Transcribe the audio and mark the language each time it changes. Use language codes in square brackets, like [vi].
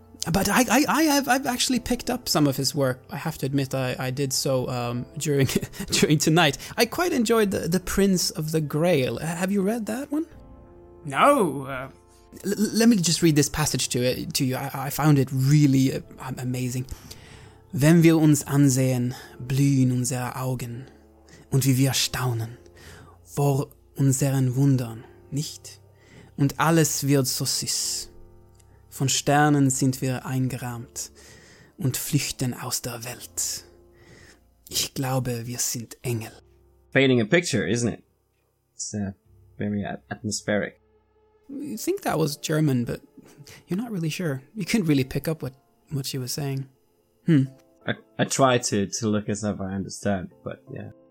[en] But I've actually picked up some of his work. I have to admit, I did so during tonight. I quite enjoyed the Prince of the Grail. Have you read that one? No. Let me just read this passage to you. I found it really amazing. [de] Wenn wir uns ansehen, blühen unsere Augen. Und wie wir staunen vor unseren Wundern, nicht? Und alles wird so süß. Von Sternen sind wir eingerahmt und flüchten aus der Welt. Ich glaube, wir sind Engel. [en] Painting a picture, isn't it? It's very atmospheric. You think that was German, but you're not really sure. You couldn't really pick up what she was saying. I try to look as if I understand, but yeah.